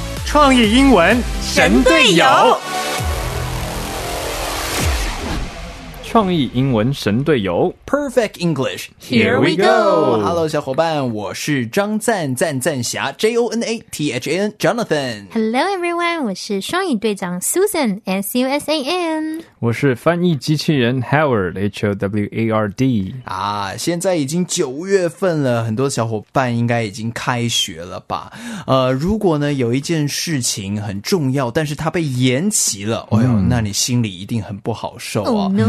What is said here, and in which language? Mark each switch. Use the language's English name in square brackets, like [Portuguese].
[Chinese] 创意英文神队友。创意英文神队友 [English] Perfect English Here we go。 [Chinese] Hello 小伙伴，我是张赞，赞赞侠 J-O-N-A-T-H-A-N Jonathan。 [English] Hello everyone， [Chinese] 我是双语队长 Susan S-U-S-A-N。我是翻译机器人 Howard H-O-W-A-R-D。啊，现在已经九月份了，很多小伙伴应该已经开学了吧。如果呢有一件事情很重要，但是它被延期了，哎呦，那你心里一定很不好受啊。